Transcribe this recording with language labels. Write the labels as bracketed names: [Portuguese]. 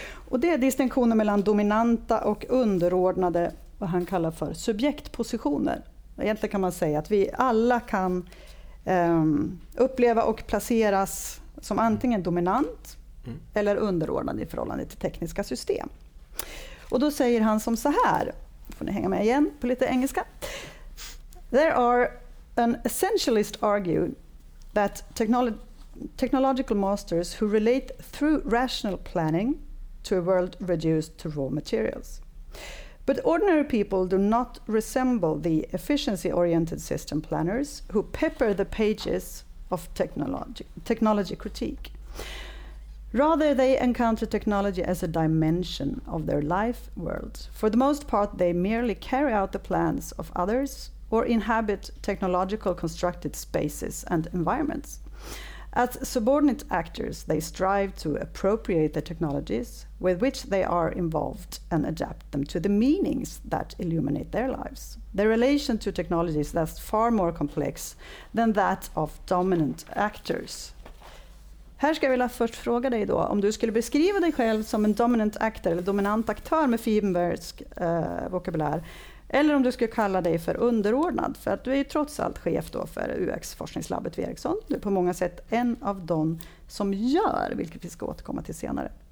[Swedish] Och det är distinktionen mellan dominanta och underordnade, vad han kallar för subjektpositioner. Egentligen kan man säga att vi alla kan uppleva och placeras som antingen dominant eller underordnad i förhållande till tekniska system. Och då säger han som så här, får ni hänga med igen på lite engelska. [English] There are an essentialist argue that technological masters who relate through rational planning to a world reduced to raw materials. But ordinary people do not resemble the efficiency-oriented system planners who pepper the pages of technology critique. Rather, they encounter technology as a dimension of their life world. For the most part, they merely carry out the plans of others or inhabit technological constructed spaces and environments. As subordinate actors, they strive to appropriate the technologies with which they are involved and adapt them to the meanings that illuminate their lives. Their relation to technology is thus far more complex than that of dominant actors. [Swedish] Här ska jag vilja först fråga dig då, om du skulle beskriva dig själv som en [English] dominant actor [Swedish] eller dominant aktör med Feinbergsk vokabulär, eller om du skulle kalla dig för underordnad, för att du är ju trots allt chef då för UX-forskningslabbet vid Ericsson. Du är på många sätt en av de som gör, vilket vi ska återkomma till senare.